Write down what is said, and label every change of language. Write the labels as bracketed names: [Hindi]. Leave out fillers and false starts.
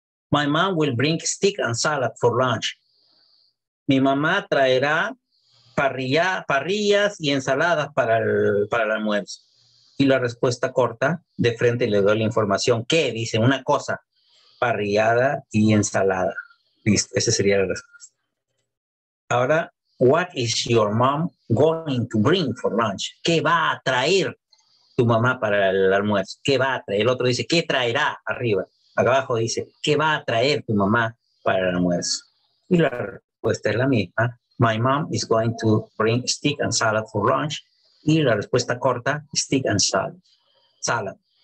[English] My mom will bring steak and salad for lunch. [Spanish] Mi mamá traerá parrillas y ensaladas para el almuerzo. Y la respuesta corta, de frente le doy la información. ¿Qué? Dice una cosa. Parrillada y ensalada. Listo, esa sería la respuesta. [English] Ahora, what is your mom going to bring for lunch? [Spanish] ¿Qué va a traer tu mamá para el almuerzo? ¿Qué va a traer? El otro dice, ¿qué traerá arriba? Abajo dice, ¿qué va a traer tu mamá para el almuerzo? Y la respuesta es la misma. [English] My mom is going to bring steak and salad for lunch. [Spanish] Y la respuesta corta, [English] steak and salad.